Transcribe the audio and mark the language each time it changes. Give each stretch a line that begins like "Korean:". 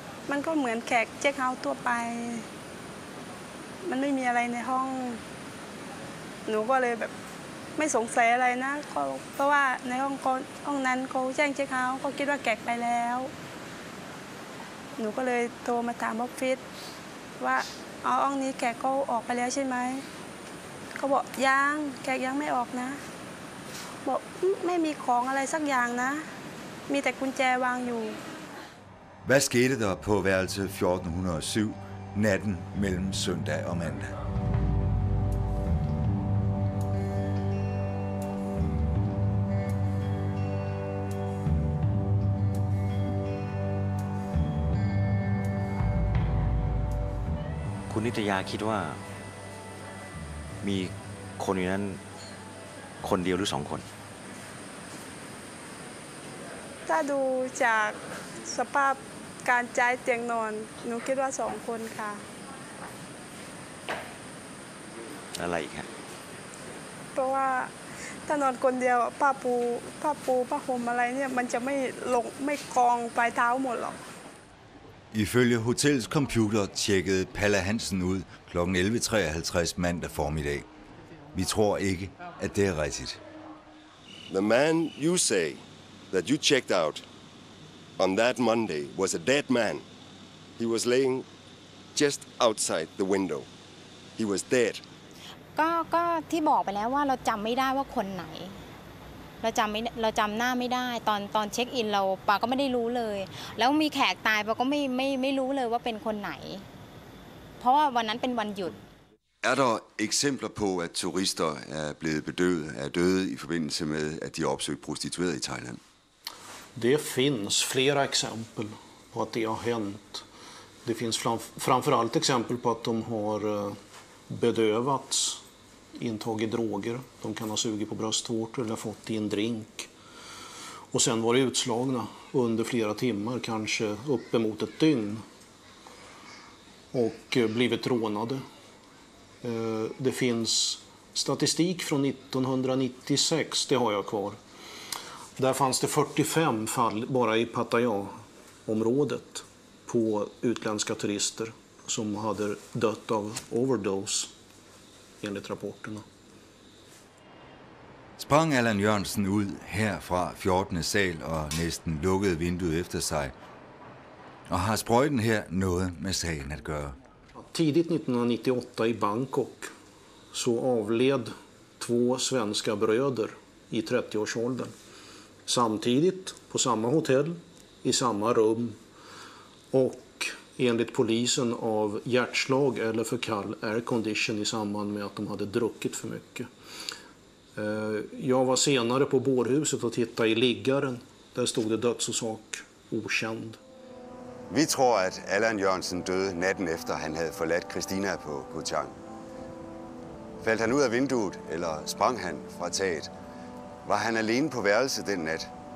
Thai: มันก็เหมือนแขกเช็คเอาท์ทั่วไปมันไม่มีอะไรในห้องหนูก็เลยแบบไม่สงสัยอะไรนะก็เพราะว่าในห้องนั้นเขาแจ้งเช็คเอาท์เขาคิดว่าแขกไปแล้วหนูก็เลยโทรมาถามออฟฟิศว่าอ๋อห้องนี้แขกเขาออกไปแล้วใช่ไหมเขาบอกยังแขกยังไม่ออกนะบอกไม่มีของอะไรสักอย่างนะมีแต่กุญแจวางอยู่
Danish: Hvad skete der på værelse 1407 natten mellem søndag og mandag?
Thai: คุณนิตยาคิดว่ามีคนอยู่นั้นคนเดียวหรือสองคน ถ้าดูจากสภาพการใช้เตียงนอนหนูคิดว่าสองคนค่ะ อะไรอีกครับ เพราะว่าถ้านอนคนเดียวผ้าปูผ้าห่มอะไรเนี่ยมันจะไม่ลงไม่กองปลายเท้าหมดหรอก
Danish: Ifølge hotellets computer tjekkede Palle Hansen ud kl. 11.53 mandag formiddag. Vi tror ikke, at det er rigtigt.
English: The man you say that you checked out on that Monday was a dead man. He was laying just outside the window. He was dead.
Thai: ก็ที่บอกไปแล้วว่าเราจำไม่ได้ว่าคนไหนเราจำหน้าไม่ได้ตอนเช็คอินเราป้าก็ไม่ได้รู้เลยแล้วมีแขกตายป้าก็ไม่รู้เลยว่าเป็นคนไหนเพราะว่าวันนั้นเป็นวันหยุด
Danish: Er der eksempler på at turister er blevet bedøvet er døde i forbindelse med at de opsøgte prostituerede i Thailand?
Swedish: Det finns flera exempel på att det har hänt. Det finns framförallt exempel på att de har bedövats. Intagit droger, de kan ha sugit på bröstvårtor eller fått i en drink. Och sen var det utslagna under flera timmar, kanske uppemot ett dygn. Och blivit rånade. Det finns statistik från 1996, det har jag kvar. Där fanns det 45 fall bara i Pattaya-området på utländska turister som hade dött av overdose. Enligt rapporterna.
Danish: Sprang Allan Jørgensen ud herfra 14. sal og næsten lukkede vinduet efter sig. Og har sprøjten her noget med sagen at gøre?
Swedish: Tidigt 1998 i Bangkok så avled två svenska bröder i 30-årsåldern. Samtidigt på samma hotell, i samma rum och enligt polisen av hjärtslag eller för kall air condition i samband med att de hade druckit för mycket. Jag var senare på bårhuset och tittade i liggaren. Där stod det dödsorsak okänd. Vi tror att Allan Jørgensen døde natten efter han hade förlatt Christina på Koh Chang. Fällde han ut av vinduet eller sprang han från taket?
Danish: Var han alene på værelset den nat?